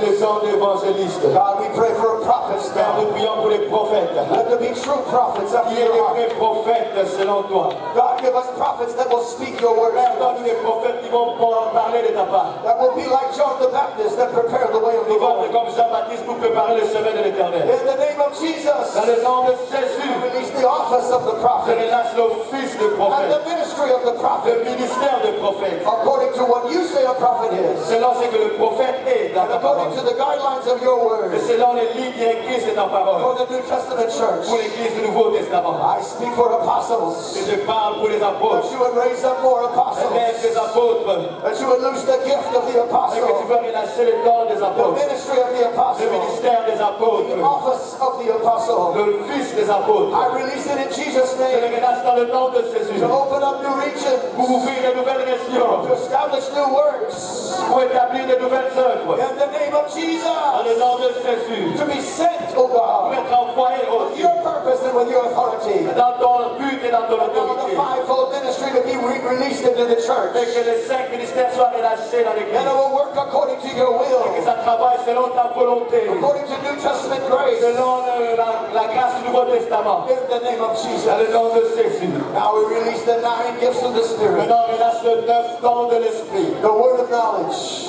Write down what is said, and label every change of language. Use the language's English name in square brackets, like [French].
[French] le don d'évangéliste. [English] God, we pray for a prophet. [French] Père, nous prions pour les prophètes. [English] Let there be true prophets of your [French] heart. Qui est le prophète selon toi? [English] God, give us prophets that will speak your word. That will be like John the Baptist that prepared the way of the Lord. [French] Comme Jean-Baptiste pour préparer le chemin de l'Éternel. [English] In the name of Jesus. [French] Dans le nom de Jésus. [English] Release the office of the prophet. [French] Je relâche l'office du prophète. [English] And the ministry of the prophet. [French] Le ministère du prophète. [English] According to what you say a prophet is. [French] Selon ce que le prophète est dans ta parole. [English] According to the guidelines of your word. [French] Et selon les lignes écrites de ta parole. [English] For the New Testament church. [French] Pour l'église du Nouveau Testament. [English] I speak for apostles. [French] Et je parle pour les apôtres. [English] That you would raise up more apostles. That you would lose the gift of the apostle. The ministry of the apostle. The office of the apostle. [French] Le fils des apôtres. [English] I release it in Jesus' name. To open up new regions. To establish new works. In the name of Jesus. To be sent, O God. With your purpose and with your authority. [French] Dans ton but et dans ton autorité. [English] The fivefold ministry to be released into the church. [French] Et que les cinq ministères soient relâchés dans l'église. [English] And it will work according to your will. [French] Et que ça travaille selon ta volonté. [English] According to New Testament grace. [French] Selon la grâce du Nouveau Testament. [English] In the name of Jesus. [French] Dans le nom de Jésus. [English] Now we release the nine gifts of the Spirit. [French] Maintenant, on relâche le neuf don de l'Esprit. [English] The word of knowledge.